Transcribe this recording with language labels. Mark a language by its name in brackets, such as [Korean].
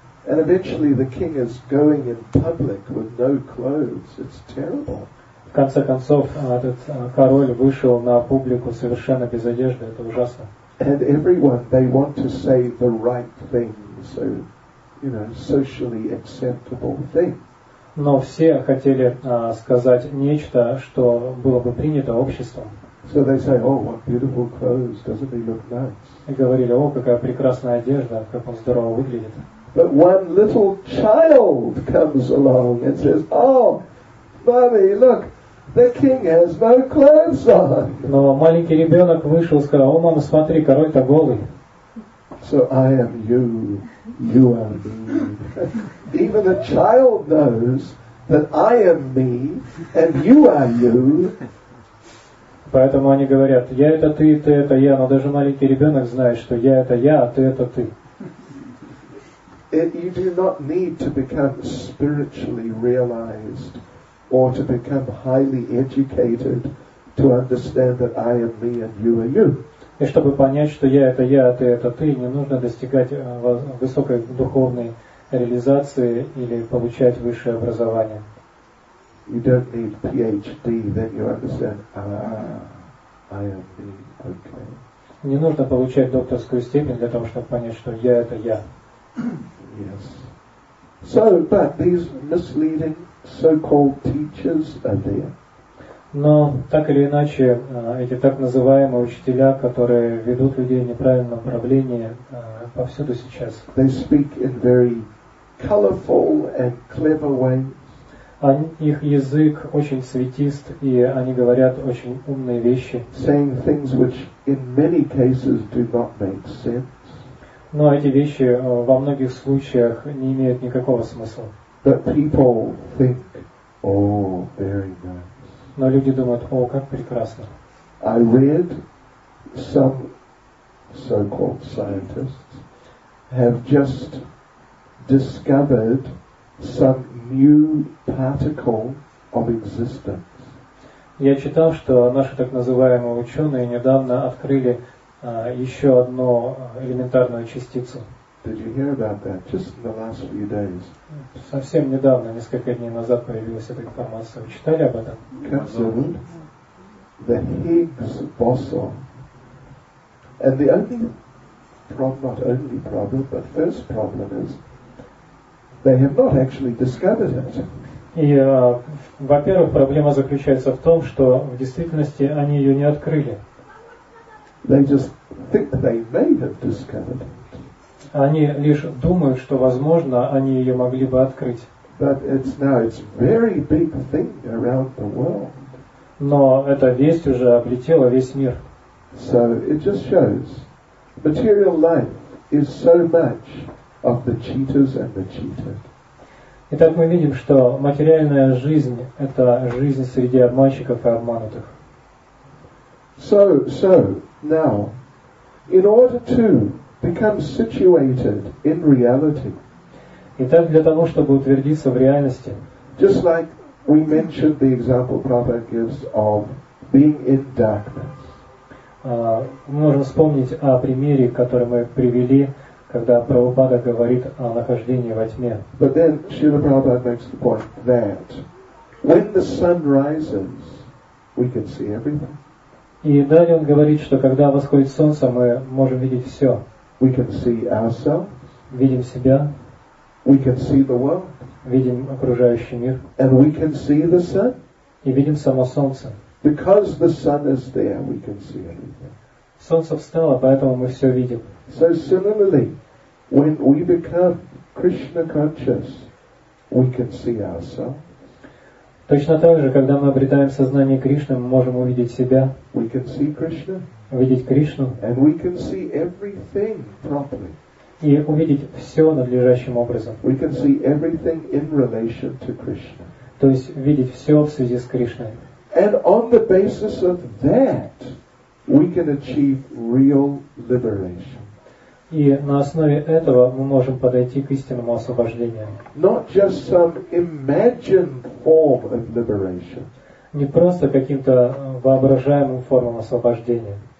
[English] And eventually the king is going in public with no clothes. It's terrible. [Russian] В конце концов этот король вышел на публику совершенно без одежды. Это ужасно. [English] And everyone, they want to say the right thing, so, you know, socially acceptable thing. [Russian] Но все хотели сказать нечто, что было бы принято обществом. [English] So they say, oh, what beautiful clothes, doesn't he look nice? [Russian] И говорили, о, какая прекрасная одежда, как он здорово выглядит. [English] But one little child comes along and says, oh, mommy, look. The king has no clothes on. [Russian] Но маленький ребенок вышел и сказал: «О, мама, смотри, король-то голый». [English] So I am you, you are me. Even a child knows that I am me and you are you. [Russian] Поэтому они говорят: «Я это ты, ты это я». Но даже маленький ребенок знает, что я это я, а ты это ты. [English] You do not need to become spiritually realized. Or to become highly educated to understand that I am me and you are you. [Russian] И чтобы понять, что я это я, а ты это ты, не нужно достигать высокой духовной реализации или получать высшее образование. [English] You don't need PhD, then you understand, ah, I am me, okay. [Russian] Не нужно получать докторскую степень для того, чтобы понять, что я это я. [English] Yes. So, but these misleading so-called teachers are there. [Russian] Но так или иначе, эти так называемые учителя, которые ведут людей в неправильном направлении, повсюду сейчас. [English] They speak in very colorful and clever ways. [Russian] Их язык очень светист, и они говорят очень умные вещи. [English] Saying things which in many cases do not make sense. [Russian] Но эти вещи во многих случаях не имеют никакого смысла. [English] But people think, oh, very nice. [Russian] Но люди думают, о, как прекрасно. [English] I read some so-called scientists have just discovered some new particle of existence. [Russian] Я читал, что наши так называемые ученые недавно открыли еще одну элементарную частицу. [English] Did you hear about that just in the last few days? [Russian] Совсем недавно, несколько дней назад появилась эта информация. Вы читали об этом? [English] Considered the Higgs boson. And the only problem, not only problem, but first problem is they have not actually discovered it. [Russian] И, во-первых, проблема заключается в том, что в действительности они ее не открыли. [English] They just think they may have discovered it. [Russian] Они лишь думают, что, возможно, они ее могли бы открыть. [English] But it's now, it's very big thing around the world. [Russian] Но эта весть уже облетела весь мир. [English] So it just shows material life is so much of the cheaters and the cheated. [Russian] Итак, мы видим, что материальная жизнь – это жизнь среди обманщиков и обманутых. [English] So now, in order to become situated in reality. [Russian] Итак, для того, чтобы утвердиться в реальности. [English] Just like we mentioned the example Prabhupada gives of being in darkness. [Russian] Можно вспомнить о примере, который мы привели, когда Прабхупада говорит о нахождении во тьме. [English] But then Srila Prabhupada makes the point that when the sun rises, we can see everything. [Russian] И далее он говорит, что когда восходит солнце, мы можем видеть все. [English] We can see ourselves. [Russian] Видим себя. [English] We can see the world. [Russian] Видим окружающий мир. [English] And we can see the sun. [Russian] И видим само солнце. [English] Because the sun is there, we can see everything. [Russian] Солнце встало, поэтому мы все видим. [English] So similarly, when we become Krishna conscious, we can see ourselves. [Russian] Точно так же, когда мы обретаем сознание Кришны, мы можем увидеть себя, [English] we can see Krishna, [Russian] увидеть Кришну, [English] and we can see everything properly. [Russian] И увидеть все надлежащим образом. [English] We can see everything in relation to Krishna. [Russian] То есть видеть все в связи с Кришной. [English] And on the basis of that, we can achieve real liberation. [Russian] И на основе этого мы можем подойти к истинному освобождению. [English] Not just some imagined form of liberation. [Russian] Не просто каким-то воображаемым формам освобождения.